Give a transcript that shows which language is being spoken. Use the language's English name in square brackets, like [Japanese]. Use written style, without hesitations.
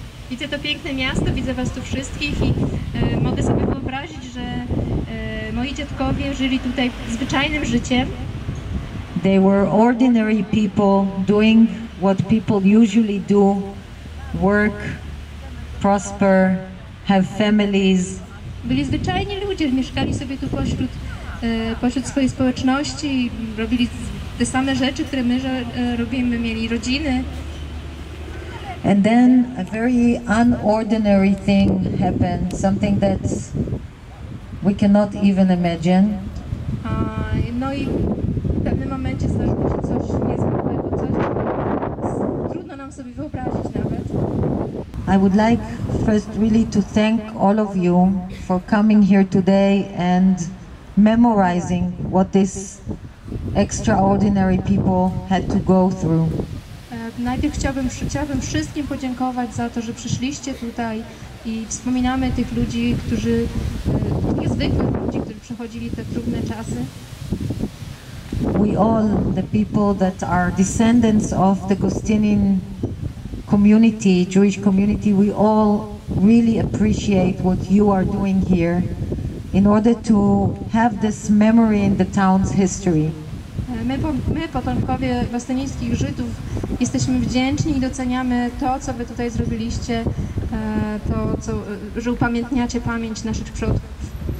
[Polish] Widzę to piękne miasto, widzę was tu wszystkich i mogę sobie wyobrazić, że moi dziadkowie żyli tutaj zwyczajnym życiem. [English] They were ordinary people doing what people usually do, work, prosper, have families. [Polish] Byli zwyczajni ludzie, mieszkali sobie tu pośród swojej społeczności, robili te same rzeczy, które my robimy, mieli rodziny. [English] And then a very unordinary thing happened, something that we cannot even imagine. [Polish] No i w pewnym momencie zdarzyło się coś niezwykłego, coś trudno nam sobie wyobrazić nawet. [English] I would like first really to thank all of you for coming here today and memorizing what this extraordinary people had to go through. [Polish] Najpierw chciałbym wszystkim podziękować za to, że przyszliście tutaj i wspominamy tych ludzi, którzy niezwykłych ludzi, którzy przechodzili te trudne czasy. [English] We all the people that are descendants of the Gostynin community, Jewish community, we all really appreciate what you are doing here in order to have this memory in the town's history. [Polish] My, potomkowie gostynińskich Żydów, jesteśmy wdzięczni i doceniamy to, co wy tutaj zrobiliście, to, co, że upamiętniacie pamięć naszych przodków.